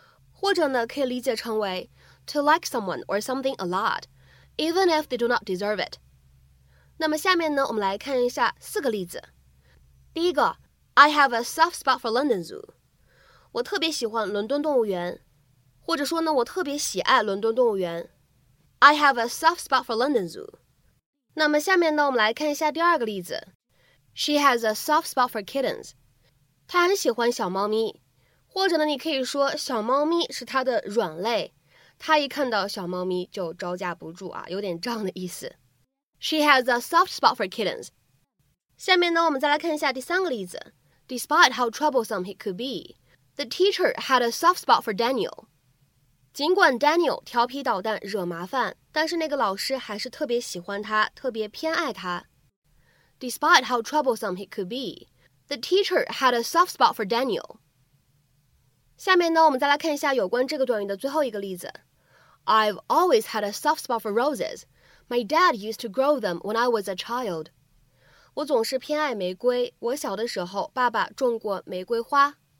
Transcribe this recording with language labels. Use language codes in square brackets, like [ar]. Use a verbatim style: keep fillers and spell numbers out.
[zh] 或者呢可以理解成为 [en] to like someone or something a lot, even if they do not deserve it. [zh] 那么下面呢我们来看一下四个例子。第一个 [en] I have a soft spot for London Zoo. [zh] 我特别喜欢伦敦动物园。或者说呢我特别喜爱伦敦动物园。 [en] I have a soft spot for London Zoo. [zh] 那么下面呢我们来看一下第二个例子。 [en] She has a soft spot for kittens. [zh] 他很喜欢小猫咪，或者呢，你可以说小猫咪是他的软肋，他一看到小猫咪就招架不住啊，有点胀的意思。 [en] She has a soft spot for kittens. [zh] 下面呢，我们再来看一下第三个例子。 [en] Despite how troublesome he could be, the teacher had a soft spot for Daniel. [zh] 尽管 Daniel 调皮捣蛋惹麻烦，但是那个老师还是特别喜欢他，特别偏爱他。 [en] Despite how troublesome he could be, the teacher had a soft spot for Daniel. [zh] 下面呢，我们再来看一下有关这个短语的最后一个例子。 [en] I've always had a soft spot for roses. My dad used to grow them when I was a child. [zh] 我总是偏爱玫瑰，我小的时候爸爸种过玫瑰花。